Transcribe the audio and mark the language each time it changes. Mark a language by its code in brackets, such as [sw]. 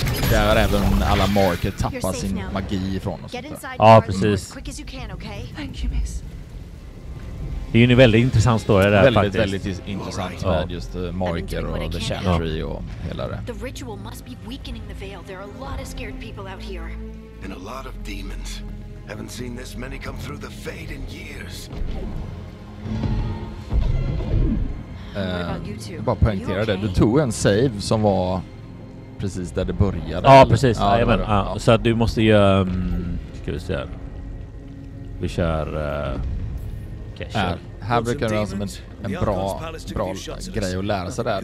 [sv] Där har även alla marker tappat sin magi ifrån oss. Ja, precis. Det är ju en väldigt intressant story där väldigt, faktiskt. Väldigt, väldigt intressant med just marker och the chantry och hela det. [en] The ritual must be weakening the veil. There are a lot of scared people out here. And a lot of demons. Haven't seen this many come through the fade in years. [sv] Bara poängtera det. Du tog en save som var precis där det började. Ja, eller? Precis. Ja, men, ja. Så att du måste göra... ska vi se här. Vi kör... Här brukar det vara som en bra grej att lära sig där.